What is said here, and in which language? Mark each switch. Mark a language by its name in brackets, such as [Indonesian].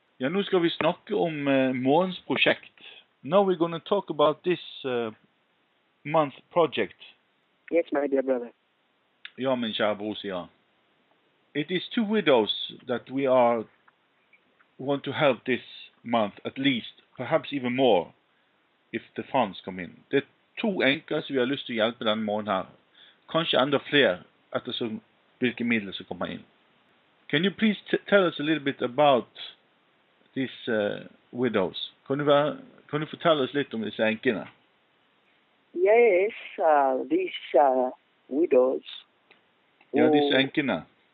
[Norwegian] Ja, nå skal vi snakke om morgens prosjekt. [English] Now we're going to talk about this month project. Yes, my dear brother. [Norwegian] Ja, min kjære bror, ja. [English] It is two widows that we are want to help this month, at least, perhaps even more, if the funds come in. [Norwegian] Det to enker som vi har lyst til å hjelpe denne morgen her. Kanskje enda flere, ettersom hvilke midler som kommer inn. [English] Can you please tell us a little bit about these widows? [Norwegian] Kan du fortelle oss litt om disse enkene? [English] Yes, these widows. [Norwegian] Ja, disse enkene.